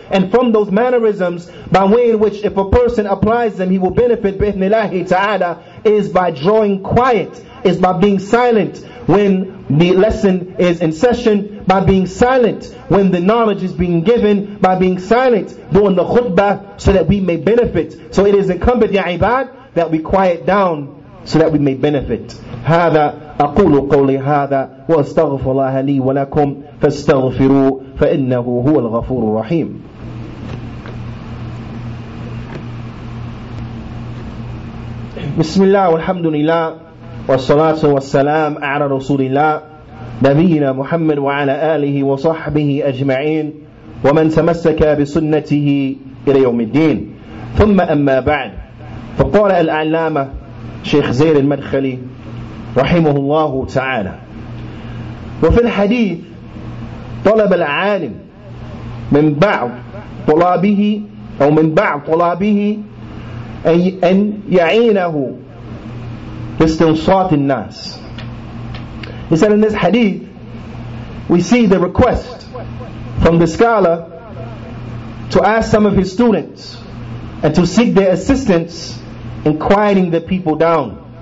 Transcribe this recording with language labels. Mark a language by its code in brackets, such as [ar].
[en] And from those mannerisms, by way in which if a person applies them, he will benefit bi'ithnillahi ta'ala, is by drawing quiet, is by being silent when the lesson is in session, by being silent when the knowledge is being given, by being silent during the khutbah, so that we may benefit. So it is incumbent, ya ibad, that we quiet down so that we may benefit. [ar] هذا أقول قولي هذا وأستغفر الله لي ولكم فاستغفروا فإنه هو الغفور الرحيم. بسم الله والحمد لله والصلاة والسلام على رسول الله نبينا محمد وعلى آله وصحبه أجمعين ومن تمسك بسنته إلى يوم الدين. ثم أما بعد, فقال العلامة شيخ زير المدخلي رحمه الله تعالى, وفي الحديث طلب العالم من بعض طلابه أو من بعض طلابه أن يعينه باستنصات الناس. [en] He said in this hadith, we see the request from the scholar to ask some of his students and to seek their assistance in quieting the people down.